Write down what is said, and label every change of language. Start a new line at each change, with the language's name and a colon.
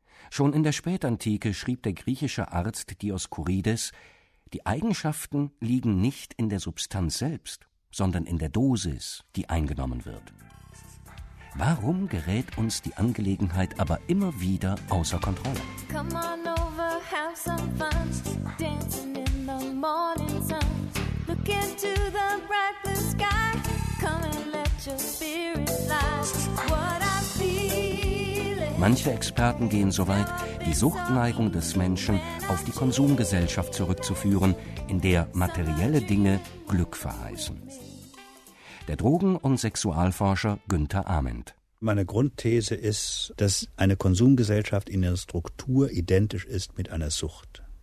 German: Schon in der Spätantike schrieb der griechische Arzt Dioskurides, die Eigenschaften liegen nicht in der Substanz selbst, sondern in der Dosis, die eingenommen wird. Warum gerät uns die Angelegenheit aber immer wieder außer Kontrolle?
English: Come on over, have some fun, dancing in the morning sun. Look into the bright blue sky, come and let your spirit fly. What I feel.
German: Manche Experten gehen so weit, die Suchtneigung des Menschen auf die Konsumgesellschaft zurückzuführen, in der materielle Dinge Glück verheißen. Der Drogen- und Sexualforscher Günther Ament. Meine Grundthese ist, dass eine Konsumgesellschaft in ihrer Struktur identisch ist mit einer Sucht.